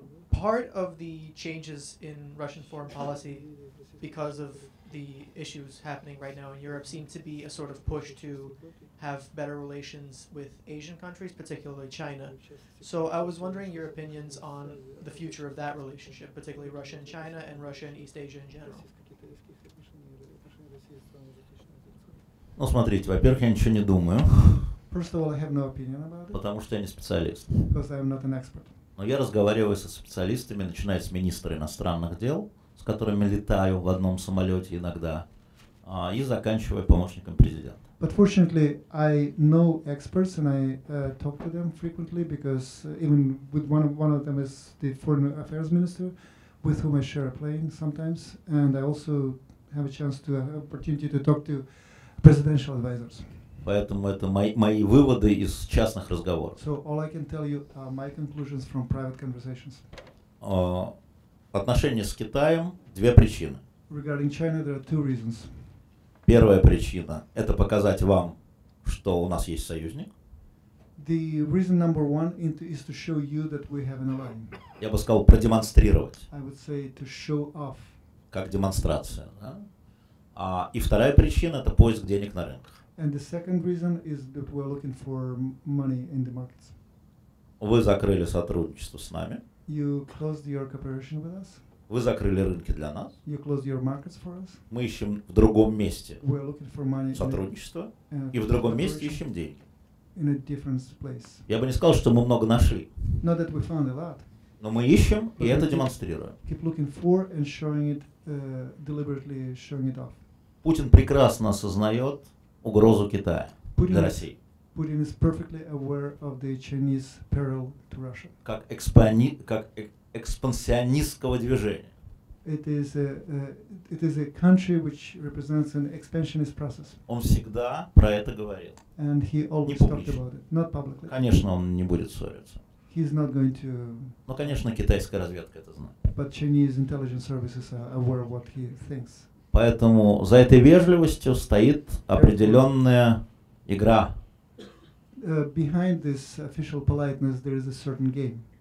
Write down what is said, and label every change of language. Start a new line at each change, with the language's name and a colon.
English: Part of the changes in Russian foreign policy because of the issues happening right now in Europe seem to be a sort of push to have better relations with Asian countries, particularly China. So I was wondering your opinions on the future of that relationship, particularly Russia and China and Russia and East Asia in general.
Russian: Ну, смотрите, во-первых, я ничего не думаю.
English: First of all, I have no opinion about it.
Russian: Потому что я не специалист.
English: Because I am not an expert.
Russian: Но я разговариваю со специалистами, начиная с министра иностранных дел, с которыми летаю в одном самолете иногда, и заканчивая помощником президента.
English: But fortunately, I know experts and I talk to them frequently because even with one of them is the foreign affairs minister, with whom I share a plane sometimes, and I also have a chance to opportunity to talk to presidential advisors.
Russian: Поэтому это мои выводы из частных разговоров.
English: So all I can tell you are my conclusions from private conversations.
Russian: Отношения с Китаем – две причины.
English: Regarding China, there are two reasons.
Russian: Первая причина – это показать вам, что у нас есть союзник.
English: The reason number one is to show you that we have an ally.
Russian: Я бы сказал, продемонстрировать.
English: I would say to show off.
Russian: Как демонстрация. Да? И вторая причина – это поиск денег на рынках.
English: And the second reason is that we're looking for money in the markets.
Russian: Вы закрыли сотрудничество с нами.
English: You closed your cooperation with us.
Russian: Вы закрыли рынки для нас.
English: You closed your markets for us.
Russian: Мы ищем в другом месте
English: we're looking for money
Russian: сотрудничество. И в другом месте ищем деньги.
English: In a different place.
Russian: Я бы не сказал, что мы много нашли.
English: Not that we found a lot.
Russian: Но мы ищем, и это демонстрируем.
English: Keep looking for and showing it, deliberately showing it off.
Russian: Путин прекрасно осознает угрозу Китая для России.
English: Putin is perfectly aware of the Chinese peril to Russia.
Russian: Как экспансионистского движения.
English: It is a country which represents an expansionist process.
Russian: Он всегда про это говорил.
English: And he always talked about it, not publicly.
Russian: Конечно, он не будет ссориться.
English: He's not going to.
Russian: Но, конечно, китайская разведка это знает.
English: But Chinese intelligence services are aware of what he thinks.
Russian: Поэтому за этой вежливостью стоит определенная игра.
English: Behind this official politeness there is a certain game.